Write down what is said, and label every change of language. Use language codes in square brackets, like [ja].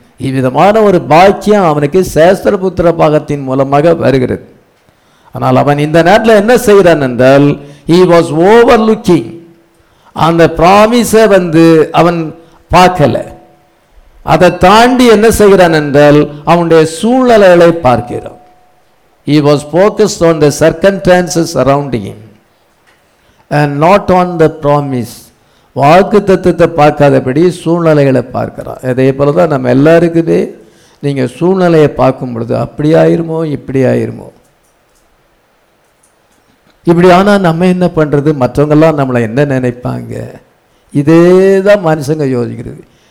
[ta] இவ்விதமான ஒரு பாக்கியம் அவனுக்கு சேஸ்வர புத்திர பாகத்தின் மூலமாக வருகிறது. ஆனால் அவன் இந்த நேரத்தில் என்ன செய்கிறான் என்றால், [en] He was overlooking. [ta] அந்த ப்ராமிஸை வந்து அவன் பார்க்கலை. அதை தாண்டி என்ன செய்கிறான் என்றால் அவனுடைய சூழ்நிலைகளை பார்க்கிறான். [en] He was focused on the circumstances around him and not on the promise. [ta] வாக்குத்தத்தத்தை பார்க்காதபடி சூழ்நிலைகளை பார்க்கிறார். அதே போல தான் நம்ம எல்லாருக்குமே, நீங்கள் சூழ்நிலையை பார்க்கும் பொழுது அப்படி ஆயிருமோ இப்படி ஆயிருமோ, இப்படி ஆனால் நம்ம என்ன பண்ணுறது, மற்றவங்கள்லாம் நம்மளை என்ன நினைப்பாங்க, இதே தான் மனுஷங்க யோசிக்கிறது.